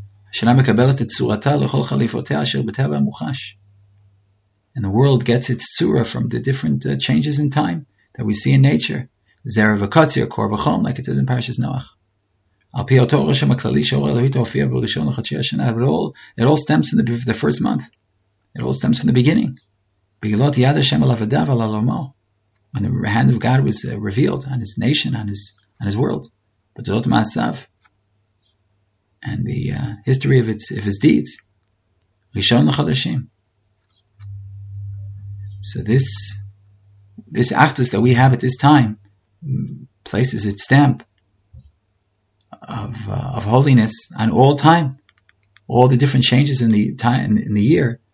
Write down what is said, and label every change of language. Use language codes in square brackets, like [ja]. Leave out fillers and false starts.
[he] השנה מקבלת את צורתה לכל חליפותיה אשר בטבע מוחש. [en] And the world gets its tzura from the different changes in time that we see in nature. [he] Zera וקוצר, קור וחום, [en] like it says in Parashas Noach. [he] על פי אותו רשם הכללי שאור אלוהית הופיע בראשון לחדשי השנה, [en] but it all stems from the first month. It all stems from the beginning. [he] בגלות יד השם על עבדיו על עולמו. [en] When the hand of God was revealed on his nation, on his world. [he] בתודות מעשיו. [en] And the history of its deeds, Rishon LaChadashim. So this Achdus that we have at this time places its stamp of holiness on all time, all the different changes in the time in the year.